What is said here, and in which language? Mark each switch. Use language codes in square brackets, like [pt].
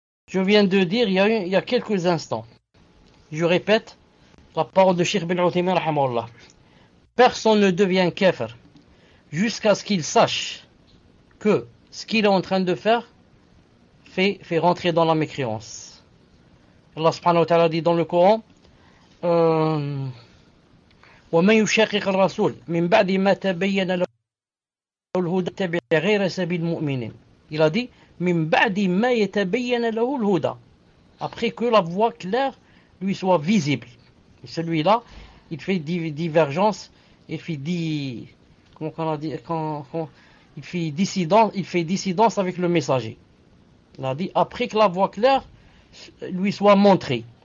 [fr] Je viens de dire il y a quelques instants. Je répète la parole de Cheikh Ibn Uthaymeen rahimahullah. Personne ne devient kafir jusqu'à ce qu'il sache que ce qu'il est en train de faire fait rentrer dans la mécréance. [ar] Allah subhanahu wa ta'ala [fr] dit dans le Coran, [ar] ومن يشاقق الرسول من بعد ما تبين له الهدى تبع غير سبيل المؤمنين. [fr] Il a dit, [ar] من بعد ما يتبين له الهدى. [fr] Après que la voie claire lui soit visible. Celui-là, il fait divergence, il fait comment on a dit, il fait dissidence, avec le messager. Il a dit, après que la voie claire lui soit montrée.